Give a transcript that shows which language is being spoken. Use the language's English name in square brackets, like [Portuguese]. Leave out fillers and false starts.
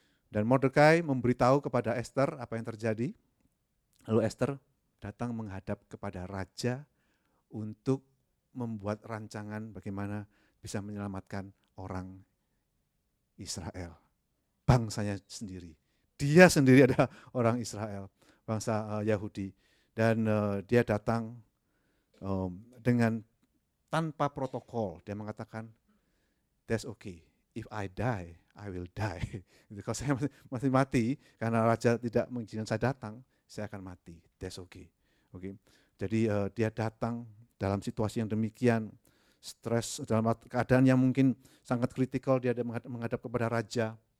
[Indonesian] Dan Mordekai memberitahu kepada Esther apa yang terjadi. Lalu Esther datang menghadap kepada raja untuk membuat rancangan bagaimana bisa menyelamatkan orang Israel, bangsanya sendiri. Dia sendiri adalah orang Israel, bangsa Yahudi. Dan dia datang dengan tanpa protokol. Dia mengatakan, [English] that's okay. If I die, I will die. [Indonesian] Kalau saya masih mati, karena raja tidak mengizinkan saya datang, saya akan mati. [English] That's okay. Okay. [Indonesian] Jadi dia datang dalam situasi yang demikian, stres dalam keadaan yang mungkin sangat kritikal, dia menghadap kepada raja.